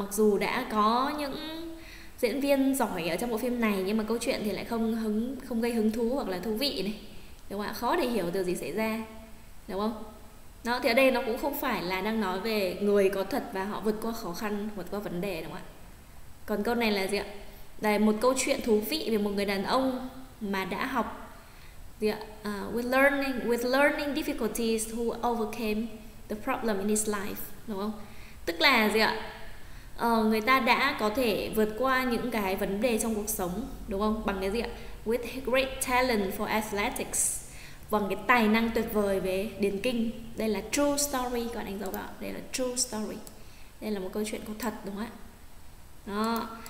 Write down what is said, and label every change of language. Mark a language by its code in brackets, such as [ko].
[vi] Mặc dù đã có những diễn viên giỏi ở trong bộ phim này nhưng mà câu chuyện thì lại không gây hứng thú hoặc là thú vị này đúng không ạ? Khó để hiểu điều gì xảy ra đúng không? Đó, thì ở đây nó cũng không phải là đang nói về người có thật và họ vượt qua khó khăn, vượt qua vấn đề đúng không ạ? Còn câu này là gì ạ? Đây, một câu chuyện thú vị về một người đàn ông mà đã học gì ạ? [en] With learning difficulties who overcame the problem in his life, [vi] đúng không? Tức là gì ạ? Người ta đã có thể vượt qua những cái vấn đề trong cuộc sống, đúng không? Bằng cái gì ạ? [en] With great talent for athletics, [vi] bằng cái tài năng tuyệt vời về điền kinh. Đây là [en] true story, [vi] các bạn đánh dấu vào. Đây là true story. Đây là một câu chuyện có thật đúng không ạ? Đó.